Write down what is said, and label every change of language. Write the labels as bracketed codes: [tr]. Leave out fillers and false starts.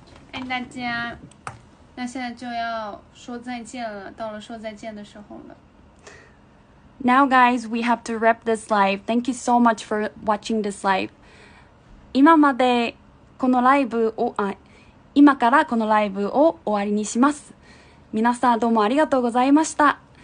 [zh] 大家那现在就要说再见了到了说再见的时候了 [en] Now guys we have to wrap this live Thank you so much for watching this live [ja] 今までこのライブを、あ、今からこのライブを終わりにします。皆さんどうもありがとうございました。